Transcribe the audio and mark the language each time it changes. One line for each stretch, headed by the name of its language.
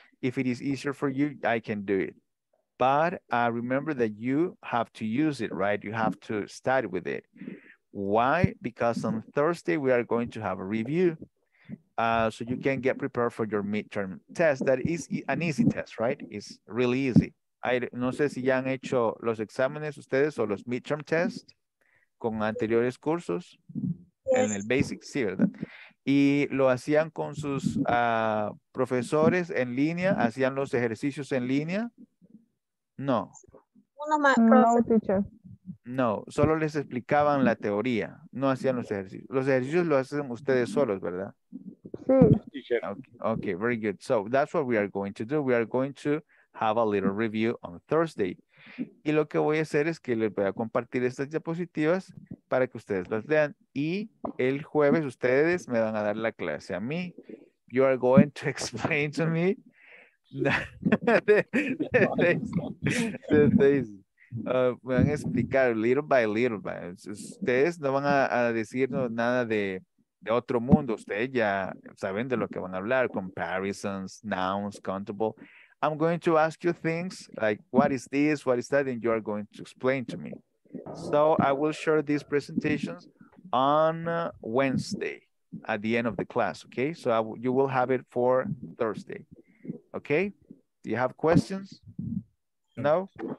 English: If it is easier for you, I can do it. But remember that you have to use it, right? You have to study with it. Why? Because on Thursday, we are going to have a review. So you can get prepared for your midterm test. That is an easy test, right? It's really easy.
Spanish: I no sé si ya han hecho los exámenes ustedes o los midterm tests con anteriores cursos. Yes. En el basic, sí, ¿verdad? Y lo hacían con sus profesores en línea, hacían los ejercicios en línea. No. Uno más, profesor. No, teacher. No, solo les explicaban la teoría, no hacían los ejercicios. Los ejercicios lo hacen ustedes solos, ¿verdad? Sí.
English: Okay, okay, very good. So that's what we are going to do. We are going to have a little review on Thursday.
Spanish: Y lo que voy a hacer es que les voy a compartir estas diapositivas para que ustedes las lean. Y el jueves ustedes me van a dar la clase a mí.
English: You are going to explain to me the things.
Spanish: Me van a explicar
English: little by little.
Spanish: Ustedes no van a decirnos nada de otro mundo. Ustedes ya saben de lo que van a hablar.
English: Comparisons, nouns, countable. I'm going to ask you things like, what is this? What is that? And you are going to explain to me. So I will share these presentations on Wednesday at the end of the class. Okay. So you will have it for Thursday. Okay. Do you have questions? No.